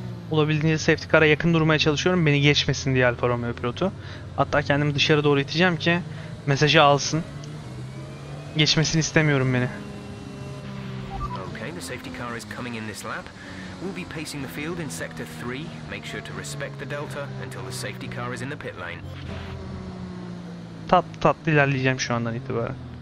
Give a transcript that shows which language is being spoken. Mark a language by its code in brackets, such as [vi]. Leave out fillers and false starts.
[tr] Olabildiğince safety car'a yakın durmaya çalışıyorum. Beni geçmesin diye Alfa Romeo pilotu. Hatta kendimi dışarı doğru iteceğim ki mesajı alsın. Geçmesini istemiyorum beni. [en] The safety car is coming in this lap. We'll be pacing the field in sector 3. Make sure to respect the delta until the safety car is in the pit lane. [tr] Tat tat ilerleyeceğim şu andan itibaren.